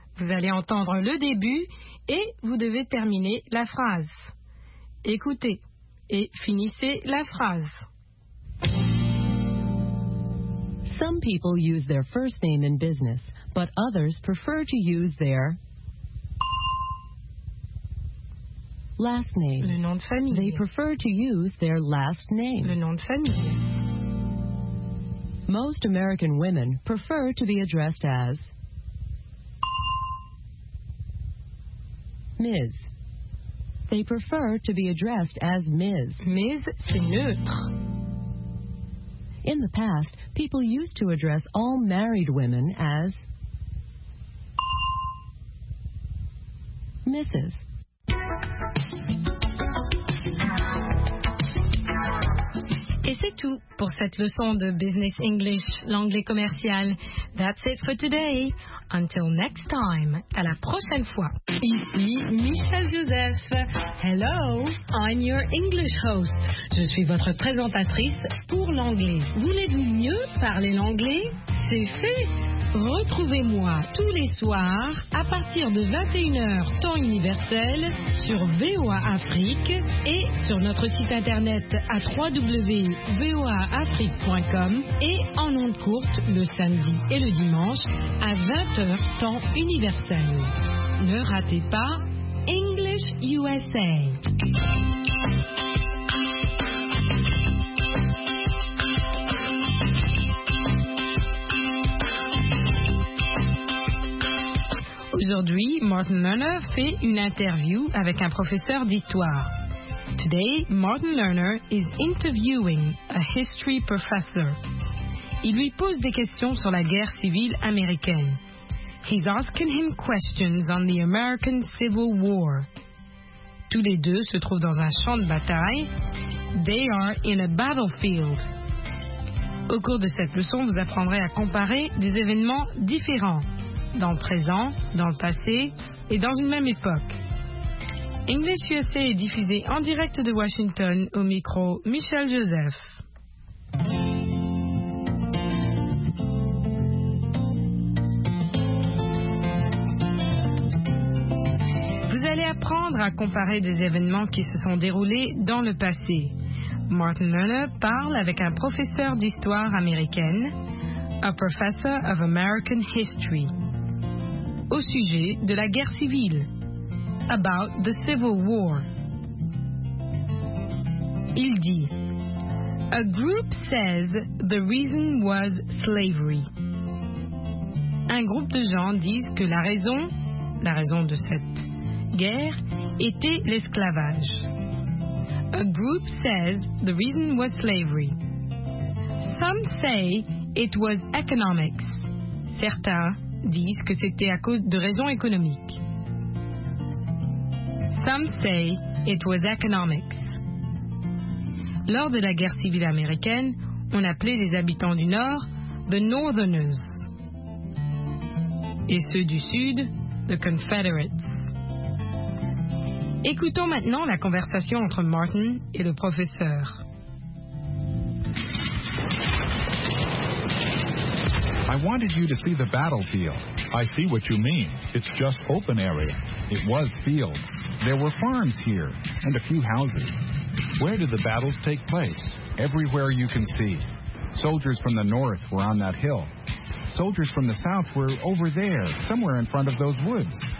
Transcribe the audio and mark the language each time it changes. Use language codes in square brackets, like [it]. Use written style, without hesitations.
[fr] Vous allez entendre le début et vous devez terminer la phrase. Écoutez et finissez la phrase. [en] Some people use their first name in business, but others prefer to use their last name. [fr] Le nom de famille. [en] They prefer to use their last name. [fr] Le nom de famille. [en] Most American women prefer to be addressed as Ms. They prefer to be addressed as Ms. [fr] Ms, c'est neutre. [en] In the past, people used to address all married women as Mrs. [fr] Et c'est tout pour cette leçon de Business English, l'anglais commercial. [en] That's it for today. Until next time. [fr] À la prochaine fois. Ici Michel Joseph. [en] Hello, I'm your English host. [fr] Je suis votre présentatrice pour l'anglais. Voulez-vous mieux parler l'anglais? C'est fait. Retrouvez-moi tous les soirs à partir de 21h temps universel sur VOA Afrique et sur notre site internet à www.voaafrique.com et en ondes courtes le samedi et le dimanche à 20h temps universel. Ne ratez pas English USA. Aujourd'hui, Martin Lerner fait une interview avec un professeur d'histoire. [en] Today, Martin Lerner is interviewing a history professor. [fr] Il lui pose des questions sur la guerre civile américaine. [en] He's asking him questions on the American Civil War. [fr] Tous les deux se trouvent dans un champ de bataille. [en] They are in a battlefield. [fr] Au cours de cette leçon, vous apprendrez à comparer des événements différents. Dans le présent, dans le passé et dans une même époque. English USA est diffusé en direct de Washington au micro Michel Joseph. Vous allez apprendre à comparer des événements qui se sont déroulés dans le passé. Martin Lerner parle avec un professeur d'histoire américaine, [en] a professor of American history. [fr] Au sujet de la guerre civile. [en] About the Civil War. [fr] Il dit, [en] a group says the reason was slavery. [fr] Un groupe de gens disent que la raison de cette guerre était l'esclavage. [en] A group says the reason was slavery. Some say it was economics. [fr] Certains disent que c'était à cause de raisons économiques. [en] Some say it was economic. [fr] Lors de la guerre civile américaine, on appelait les habitants du Nord the Northerners et ceux du Sud the Confederates. Écoutons maintenant la conversation entre Martin et le professeur. [en] I wanted you to see the battlefield. I see what you mean. It's just open area. It was fields. There were farms here and a few houses. Where did the battles take place? Everywhere you can see. Soldiers from the north were on that hill. Soldiers from the south were over there, somewhere in front of those woods.